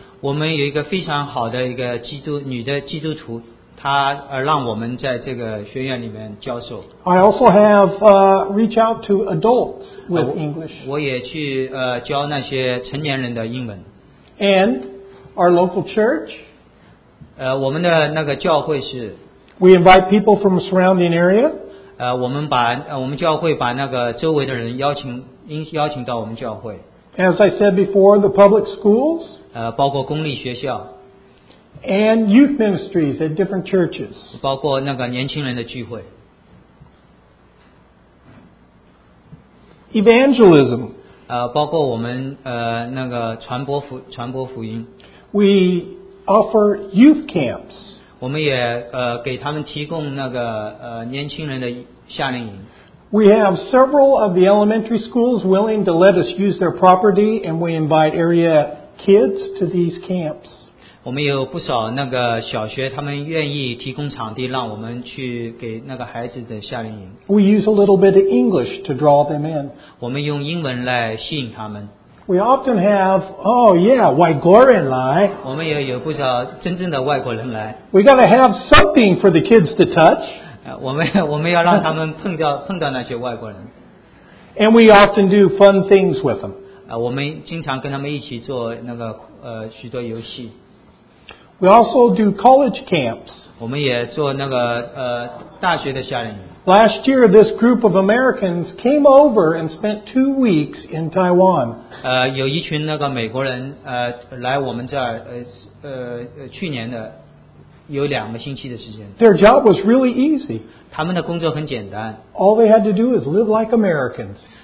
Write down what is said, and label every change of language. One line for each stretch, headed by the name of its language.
Chinese: 我们有一个非常好的一个女的基督徒，她让我们在这个学院里面教授。
English: I also have reach out to adults with English.
Chinese: 我也去教那些成年人的英文。
English: And our local church.
Chinese: 我们的那个教会是。
English: We invite people from the surrounding area.
Chinese: 我们教会把那个周围的人邀请到我们教会。
English: As I said before, the public schools.
Chinese: 包括公立学校。
English: And youth ministries at different churches.
Chinese: 包括那个年轻人的聚会。
English: Evangelism.
Chinese: 包括我们那个传播福音。
English: We offer youth camps.
Chinese: 我们也给他们提供那个年轻人的夏令营。
English: We have several of the elementary schools willing to let us use their property, and we invite area kids to these camps.
Chinese: 我们有不少那个小学，他们愿意提供场地，让我们去给那个孩子的夏令营。
English: We use a little bit of English to draw them in.
Chinese: 我们用英文来吸引他们。
English: We often have, oh yeah,
Chinese: 外国人来。我们也有不少真正的外国人来。
English: We gotta have something for the kids to touch.
Chinese: 我们要让他们碰到那些外国人。
English: And we often do fun things with them.
Chinese: 我们经常跟他们一起做那个许多游戏。
English: We also do college camps.
Chinese: 我们也做那个大学的夏令营。
English: Last year, this group of Americans came over and spent 2 weeks in Taiwan.
Chinese: 有一群那个美国人来我们这儿去年的有两个星期的时间。
English: Their job was really easy.
Chinese: 他们的工作很简单。
English: All they had to do is live like Americans.